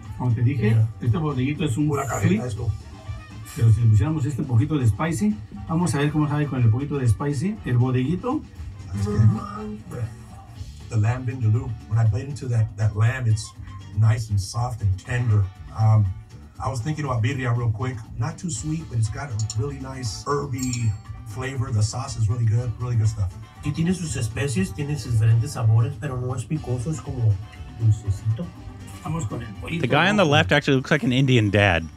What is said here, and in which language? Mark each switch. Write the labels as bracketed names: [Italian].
[Spanish] Como te dije, este bodeguito es un flip. Pero si le pusiéramos este poquito de spicy, vamos a ver cómo sabe con el poquito de spicy, el bodeguito. [English] That's good. the lamb vindaloo. When I bite into that lamb, it's nice and soft and tender. I was thinking about birria real quick. Not too sweet, but it's got a really nice herby flavor. The sauce is really good. Really good stuff. [Spanish] Y tiene sus especies, tiene sus diferentes sabores, pero no es picoso, es como dulcecito. [English] The guy on the left actually looks like an Indian dad.